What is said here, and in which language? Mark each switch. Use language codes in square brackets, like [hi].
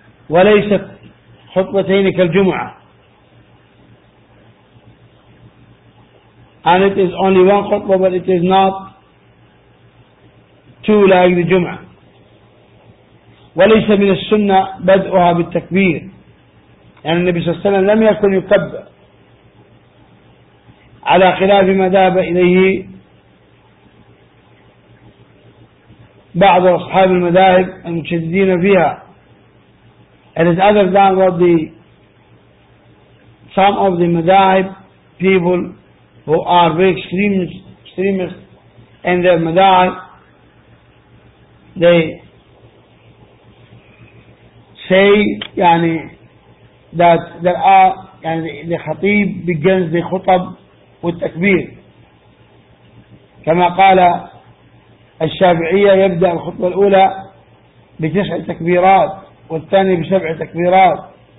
[ar] وليست خطبتين كالجمعة. [en] And it is only one khutbah, but it is not two like the Jum'ah. [ar] وليس من السنة بدءها بالتكبير. يعني النبي صلى الله عليه وسلم لم يكن يكبر على خلاف ما ذهب إليه بعض أصحاب المذاهب المتشددين فيها. [en] It is other than what the some of the madhahib people who are very extremists in their madhab, they say that there are the khatib begins the khutab with takbir. [ar] كما قال الشافعية يبدأ الخطبة الأولى بتسع تكبيرات والثاني بسبع تكبيرات.